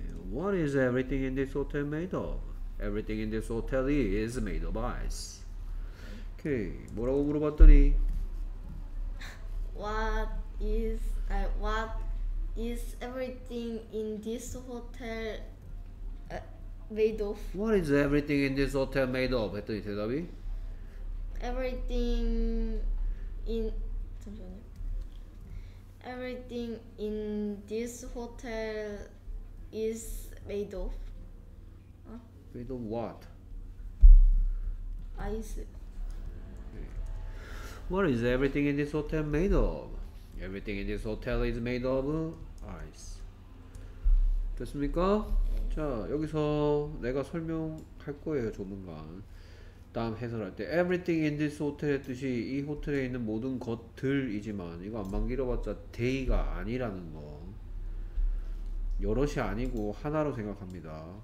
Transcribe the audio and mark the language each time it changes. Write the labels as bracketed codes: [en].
[en] What is everything in this hotel made of? Everything in this hotel is made of ice. [ko] 오케이, 뭐라고 물어봤더니 [en] What is everything in this hotel made of. What is everything in this hotel made of? [ko] 했더니 대답이 [en] Everything in [ko] 잠시만요. [en] Everything in this hotel is made of. Made of what? Ice. What is everything in this hotel made of? Everything in this hotel is made of ice. [ko] 됐습니까? 네. 자, 여기서 내가 설명할 거예요, 조만간. 다음 해설할 때 [en] everything in this hotel [ko] 의 뜻이 이 호텔에 있는 모든 것들이지만 이거 안만 길어봤자 day가 아니라는 거. 여럿이 아니고 하나로 생각합니다.